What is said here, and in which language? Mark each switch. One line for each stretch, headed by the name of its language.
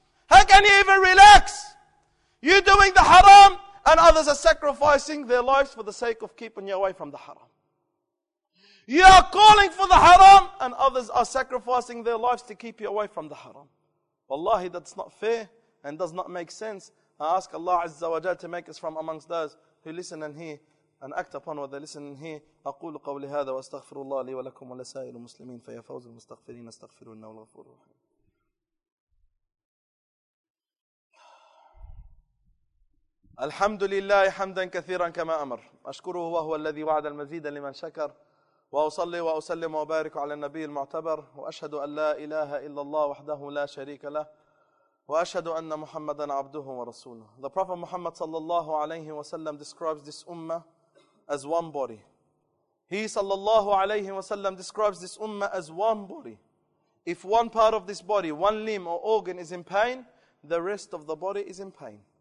English: How can you even relax? You're doing the haram and others are sacrificing their lives for the sake of keeping you away from the haram. You are calling for the haram and others are sacrificing their lives to keep you away from the haram. Wallahi, that's not fair and does not make sense. I ask Allah Azza wa Jalla to make us from amongst those who listen and hear and act upon what they listen and hear.
Arabic: أقول قولي هذا واستغفر الله لي ولكم ولسائر المسلمين فيا فوز المستغفرين استغفروا إنه الغفور الرحيم. الحمد لله حمدا كثيرا كما أمر أشكره وهو الذي وعد المزيد لمن شكر وأصلي وأسلم وبارك على النبي المعتبر وأشهد أن لا إله إلا الله وحده لا شريك له وأشهد أن محمدا عبده ورسوله.
English: The Prophet Muhammad
Arabic: صلى الله عليه وسلم
English: describes this ummah as one body. He
Arabic: صلى الله عليه وسلم
English: describes this ummah as one body. If one part of this body, one limb or organ is in pain, the rest of the body is in pain.